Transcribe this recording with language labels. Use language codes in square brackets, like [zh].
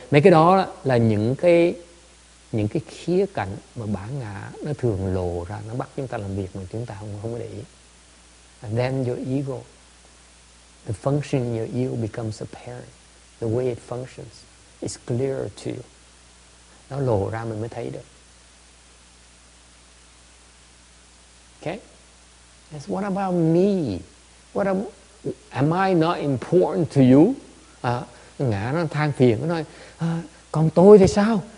[vi] Mấy cái đó là những cái khía cạnh mà bản ngã nó thường lộ ra, nó bắt chúng ta làm việc mà chúng ta không có để ý. [en] And then your ego, the function of your ego becomes apparent. the way it functions is clearer to you. [vi] Nó lộ ra mình mới thấy được. [en] Okay? Yes, what about me? What am I not important to you? [vi] Ngã nó than phiền, nó nói, còn tôi thì sao?